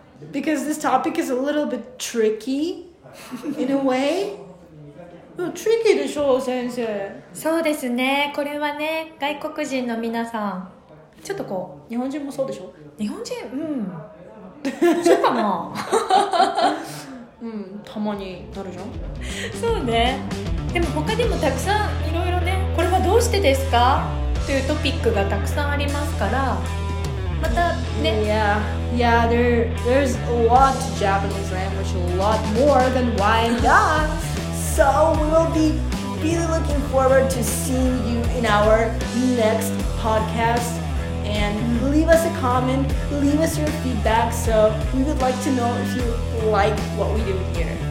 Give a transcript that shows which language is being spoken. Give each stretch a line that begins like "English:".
English: Because this topic is a little bit tricky, in a way.
Japanese: Tricky でしょ、先生。そうですね。これはね、外国人の皆さん。ちょっとこう日本人もそうでしょ日本人うんそうかなうんたまになるじゃんそうねでも他にもたくさんいろいろねこれはどうしてですかというトピックがたくさんありますからまたね
English: Yeah, yeah there's a lot to Japanese language a lot more than why not So we will be really looking forward to seeing you in our next podcastAnd leave us a comment, leave us your feedback, so we would like to know if you like what we do here.